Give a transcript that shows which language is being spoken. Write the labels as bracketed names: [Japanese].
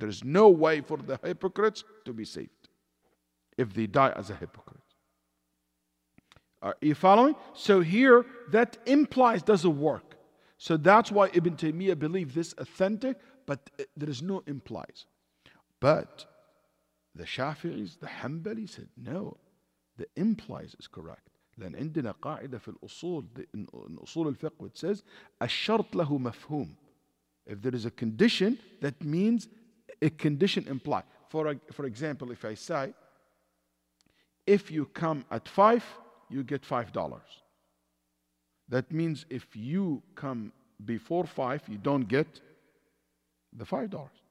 [English] There is no way for the hypocrites to be saved if they die as a hypocrite. Are you following? So here, that implies doesn't work. So that's why Ibn Taymiyyah believed this authentic, but there is no implies. But the Shafi'is, the Hanbali said, no, the implies is correct. [Arabic] لأن عندنا قاعدة في الأصول in أصول الفقه, [English] which says [Arabic] الشرط له مفهوم. [English] If there is a condition, that means a condition implied. For example, if I say, if you come at 5, you get $5. That means if you come before 5, you don't get the $5.